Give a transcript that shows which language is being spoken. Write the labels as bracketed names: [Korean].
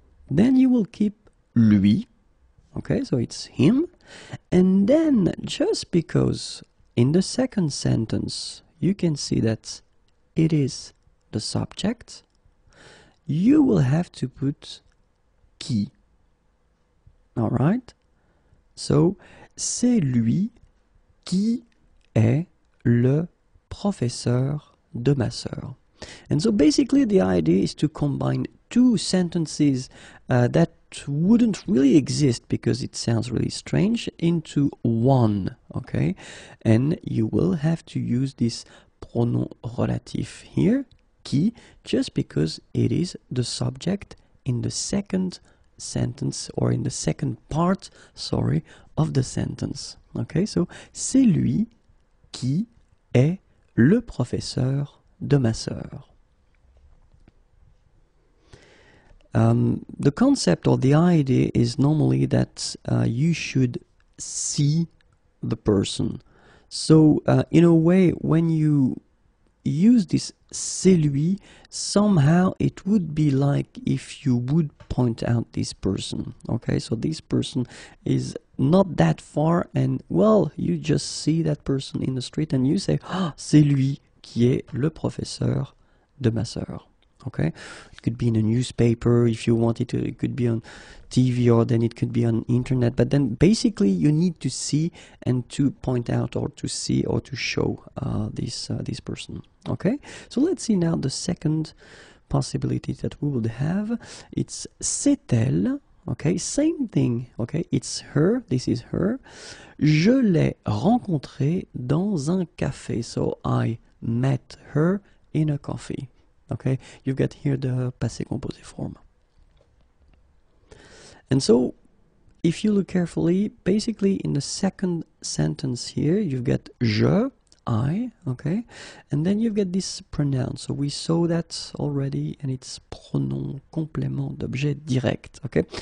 [English] Then you will keep lui, okay, so it's him. And then, just because in the second sentence you can see that it is the subject, you will have to put qui. Alright? [French] So, c'est lui qui est le professeur de ma sœur. [English] And so basically the idea is to combine two sentences that wouldn't really exist because it sounds really strange into one, okay? And you will have to use this pronom relatif here, qui, just because it is the subject in the second sentence, or in the second part, sorry, of the sentence, okay? [French] So, c'est lui qui est le professeur de ma sœur. [English] The concept or the idea is normally that you should see the person. So, in a way, when you use this [French] c'est lui, [English] somehow it would be like if you would point out this person. Okay, so this person is not that far and, well, you just see that person in the street and you say, oh, [French] c'est lui qui est le professeur de ma sœur. [English] Okay, it could be in a newspaper if you want it to, it could be on TV or then it could be on internet, but then basically you need to see and to point out or to see or to show this person. Okay, so let's see now the second possibility that we would have. It's [French] c'est elle, [English] okay, same thing, okay, it's her, this is her. [French] Je l'ai rencontrée dans un café, [English] so I met her in a coffee. Okay, you've got here the passé composé form. And so, if you look carefully, basically in the second sentence here, you've got je, I, okay? And then you've got this pronoun. So we saw that already, and it's pronom complément d'objet direct, okay?